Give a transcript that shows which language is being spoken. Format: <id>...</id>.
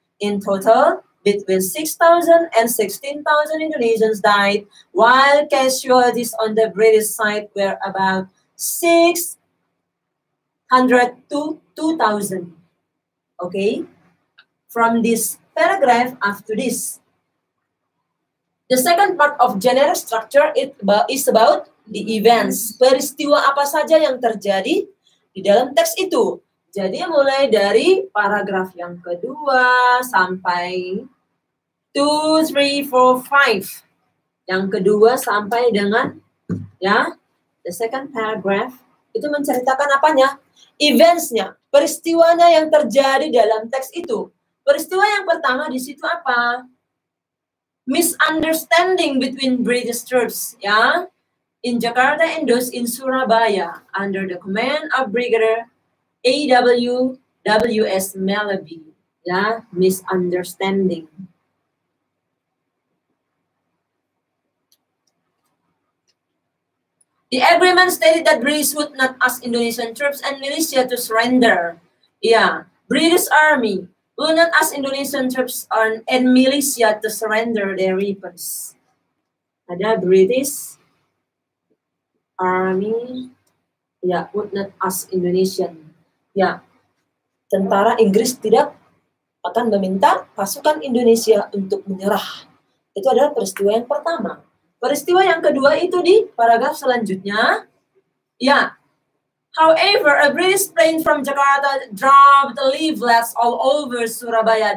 <en>In total, between 6,000 and 16,000 Indonesians died, while casualties on the British side were about 600 to 2,000. Okay? From this paragraph after this. The second part of general structure is about the events.</en> <id>Peristiwa apa saja yang terjadi di dalam teks itu. Jadi mulai dari paragraf yang kedua sampai 2, 3, 4, 5. Yang kedua sampai dengan, ya,</id> <en>the second paragraph.</en> <id>Itu menceritakan apanya? Eventsnya, peristiwanya yang terjadi dalam teks itu. Peristiwa yang pertama di situ apa?</id> <en>Misunderstanding between British troops, ya, in Jakarta and those in Surabaya under the command of Brigadier A.W.W.S. Mallaby, ya, misunderstanding. The agreement stated that British would not ask Indonesian troops and militia to surrender. Ya, British Army will not ask Indonesian troops and militia to surrender their weapons.</en> <id>Ada</id> <en>British Army, ya, would not ask Indonesian.</en> <id>Ya, tentara Inggris tidak akan meminta pasukan Indonesia untuk menyerah. Itu adalah peristiwa yang pertama. Peristiwa yang kedua itu di paragraf selanjutnya.</id> <en>Ya. However, a British plane from Jakarta dropped the leaflets all over Surabaya.</en>